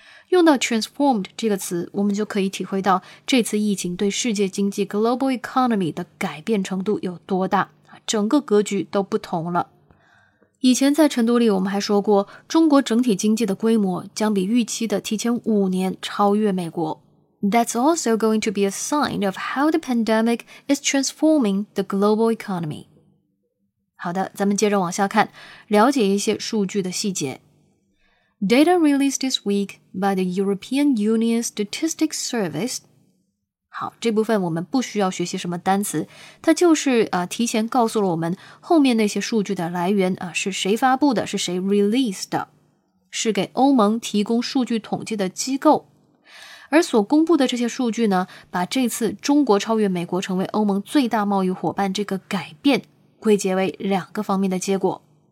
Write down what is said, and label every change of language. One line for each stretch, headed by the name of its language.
Chinese: 用到 transformed 这个词，我们就可以体会到这次疫情对世界经济 global economy 的改变程度有多大，整个格局都不同了。以前在晨读里我们还说过，中国整体经济的规模将比预期的提前五年超越美国。
English: That's also going to be a sign of how the pandemic is transforming the global economy.
Chinese: 好的，咱们接着往下看，了解一些数据的细节。
English: Data released this week by the European Union Statistics Service.
Chinese: 好，这部分我们不需要学习什么单词，它就是提前告诉了我们后面那些数据的来源是谁发布的，是谁 released 的，是给欧盟提供数据统计的机构。而所公布的这些数据呢，把这次中国超越美国成为欧盟最大贸易伙伴这个改变归结为两个方面的结果。